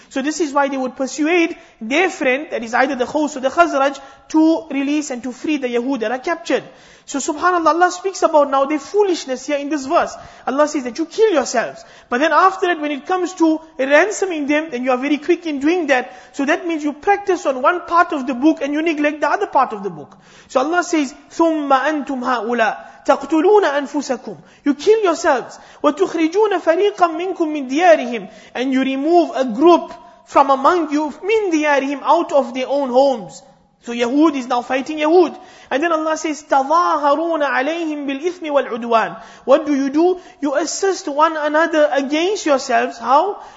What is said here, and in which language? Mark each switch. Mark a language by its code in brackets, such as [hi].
[en] So this is why they would persuade their friend, that is either the Khaws or the Khazraj, to release and to free the Yahud that are captured. So subhanAllah, Allah speaks about now their foolishness here in this verse. Allah says that you kill yourselves. But then after that, when it comes to ransoming them, then you are very quick in doing that. So that means you practice on one part of the book and you neglect the other part of the book. So Allah says, [ar] ثُمَّ أَنْتُمْ هَؤُلَىٰ تَقْتُلُونَ أَنفُسَكُمْ. [en] You kill yourselves. [ar] وَتُخْرِجُونَ فَرِيقًا مِّنْكُمْ مِّنْ دِيَارِهِمْ. [en] And you remove a group from among you, [ar] مِّنْ دِيَارِهِمْ, [en] out of their own homes. So Yahud is now fighting Yahud. And then Allah says, [ar] تَظَاهَرُونَ عَلَيْهِمْ بِالْإِثْمِ وَالْعُدْوَانِ. [en] What do? You assist one another against yourselves. How?